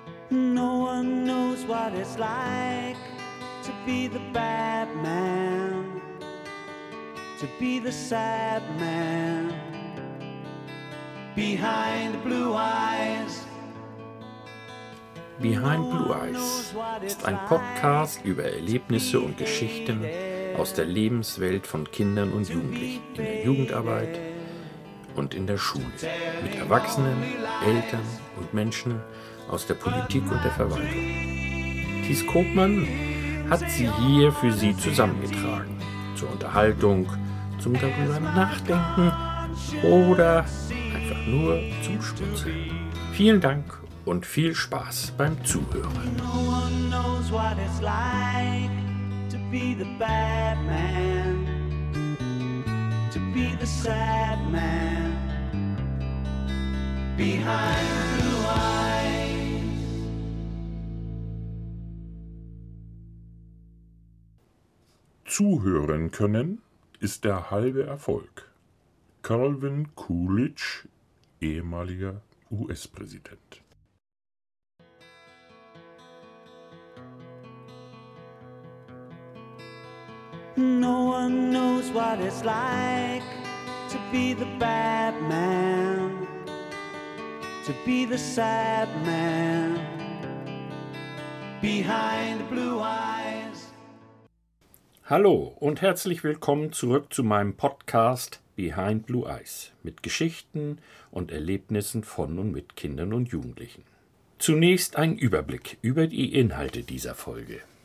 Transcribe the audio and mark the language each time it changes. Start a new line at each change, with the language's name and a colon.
English: No one knows what it's like to be the bad man, to be the sad man behind blue eyes.
German: Behind Blue Eyes ist ein Podcast über Erlebnisse und Geschichten aus der Lebenswelt von Kindern und Jugendlichen in der Jugendarbeit und in der Schule, mit Erwachsenen, Eltern und Menschen aus der Politik und der Verwaltung. Thies Koopmann hat sie hier für Sie zusammengetragen, zur Unterhaltung, zum darüber nachdenken oder einfach nur zum Schmunzeln. Vielen Dank und viel Spaß beim Zuhören.
English: No one knows what it's like to be the bad man, to be the sad man behind blue eyes.
German: Zuhören können ist der halbe Erfolg. Calvin Coolidge, ehemaliger US-Präsident.
English: No one knows what it's like to be the bad man, to be the sad man behind blue eyes.
German: Hallo und herzlich willkommen zurück zu meinem Podcast Behind Blue Eyes mit Geschichten und Erlebnissen von und mit Kindern und Jugendlichen. Zunächst ein Überblick über die Inhalte dieser Folge.